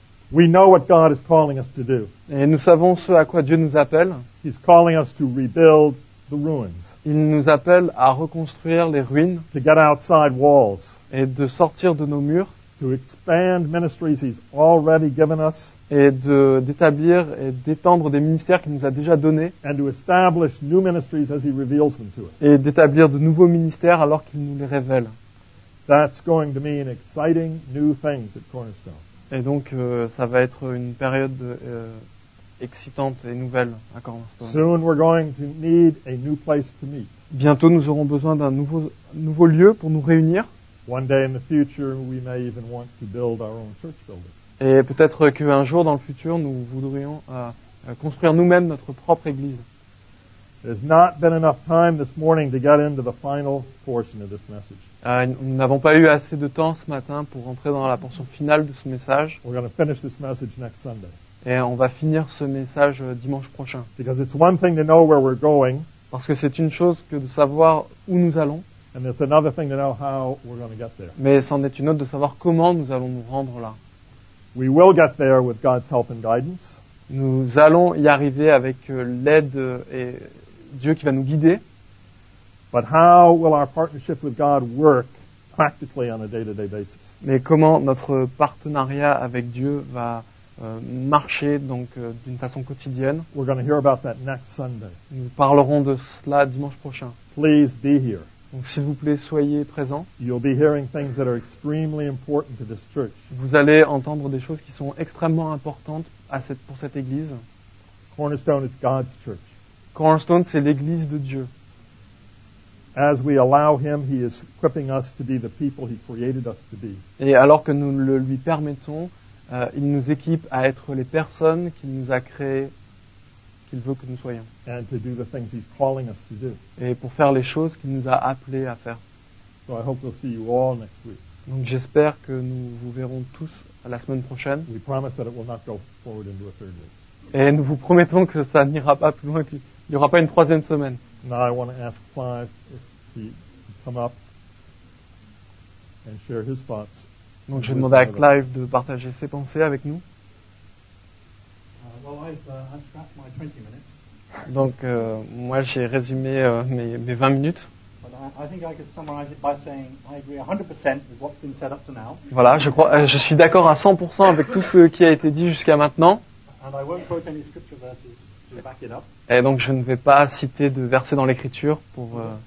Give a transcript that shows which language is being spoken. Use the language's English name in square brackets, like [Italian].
[English] We know what God is calling us to do. [French] Et nous savons ce à quoi Dieu nous appelle. [English] He's calling us to rebuild the ruins. [French] Il nous appelle à reconstruire les ruines. [English] To get outside walls. [French] Et de sortir de nos murs. [English] To expand ministries He's already given us. [French] Et d'établir et d'étendre des ministères qu'il nous a déjà donnés. [English] And to establish new ministries as He reveals them to us. [French] Et d'établir de nouveaux ministères alors qu'il nous les révèle. [English] That's going to mean exciting new things at Cornerstone. [French] Et donc, ça va être une période excitante et nouvelle à Cornerstone. [English] Soon we're going to need a new place to meet. [French] Bientôt, nous aurons besoin d'un nouveau lieu pour nous réunir. [English] One day in the future, we may even want to build our own church building. [French] Et peut-être qu'un jour dans le futur, nous voudrions construire nous-mêmes notre propre église. [English] There's not been enough time this morning to get into the final portion of this message. [French] Nous n'avons pas eu assez de temps ce matin pour rentrer dans la portion finale de ce message. [English] We're going to finish this message next Sunday. [French] Et on va finir ce message dimanche prochain. [English] Because it's one thing to know where we're going. [French] Parce que c'est une chose que de savoir où nous allons. [English] And it's another thing to know how we're going to get there. [French] Mais c'en est une autre de savoir comment nous allons nous rendre là. [English] We will get there with God's help and guidance. [French] Nous allons y arriver avec l'aide et Dieu qui va nous guider. [English] But how will our partnership with God work practically on a day-to-day basis? [French] Mais comment notre partenariat avec Dieu va marcher donc d'une façon quotidienne? [English] We're going to hear about that next Sunday. [French] Nous parlerons de cela dimanche prochain. [English] Please be here. [French] Donc, s'il vous plaît, soyez présents. [English] You'll be hearing things that are extremely important to this church. [French] Vous allez entendre des choses qui sont extrêmement importantes pour cette église. [English] Cornerstone is God's church. [French] Cornerstone, c'est l'église de Dieu. [English] As we allow him, he is equipping us to be the people he created us to be. [French] Et alors que nous le lui permettons, il nous équipe à être les personnes qu'il nous a créées, qu'il veut que nous soyons. [English] And to do the things he's calling us to do. [French] Et pour faire les choses qu'il nous a appelés à faire. [English] So I hope we'll see you all next week. [French] Donc j'espère que nous vous verrons tous la semaine prochaine. [English] We promise that it will not go forward into a third week. [French] Et nous vous promettons que ça n'ira pas plus loin, qu'il n'y aura pas une troisième semaine. [English] Now I want to ask Clive if he can come up and share his thoughts. [French] Donc j'ai demandé à Clive de partager ses pensées avec nous. [English] Well, I've unstrapped my 20 minutes. [French] Donc moi j'ai résumé mes 20 minutes. [English] I think I could summarize it by saying I agree 100% with what's been said up to now. [French] Voilà, je suis d'accord à 100% avec tout ce qui a été dit jusqu'à maintenant. [English] And I won't quote any scripture verses. [French] Et donc je ne vais pas citer de versets dans l'Écriture pour.